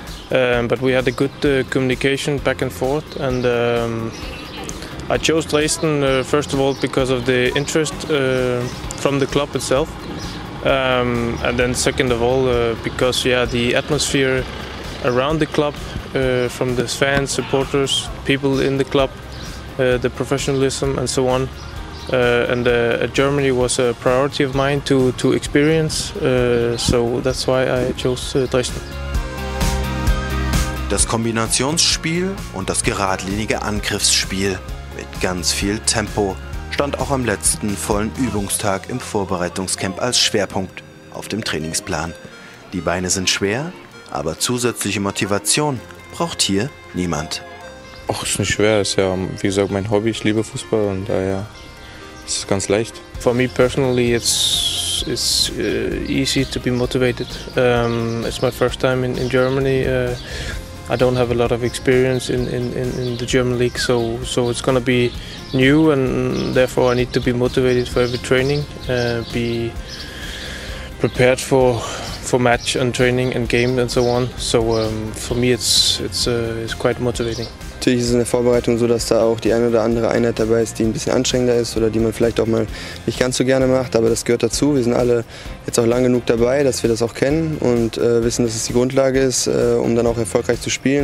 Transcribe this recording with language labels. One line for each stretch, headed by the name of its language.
English: But we had a good communication back and forth, and I chose Dresden first of all because of the interest from the club itself, and then second of all because the atmosphere around the club, from the fans, supporters, people in the club, the professionalism and so on, and Germany was a priority of mine to experience, so that's why I chose Dresden.
German: Das Kombinationsspiel und das geradlinige Angriffsspiel mit ganz viel Tempo stand auch am letzten vollen Übungstag im Vorbereitungscamp als Schwerpunkt auf dem Trainingsplan. Die Beine sind schwer, aber zusätzliche Motivation braucht hier niemand. Ach, ist nicht schwer, ist ja, wie gesagt, mein Hobby, ich liebe Fußball und daher ist es ganz leicht.
English: For me personally it's easy to be motivated. It's my first time in Germany. I don't have a lot of experience in the German league, so it's gonna be new, and therefore I need to be motivated for every training, be prepared for match and training and game and so on. So for me it's quite motivating.
German: Natürlich ist es in der Vorbereitung so, dass da auch die eine oder andere Einheit dabei ist, die ein bisschen anstrengender ist oder die man vielleicht auch mal nicht ganz so gerne macht, aber das gehört dazu. Wir sind alle jetzt auch lang genug dabei, dass wir das auch kennen und wissen, dass es die Grundlage ist, um dann auch erfolgreich zu spielen.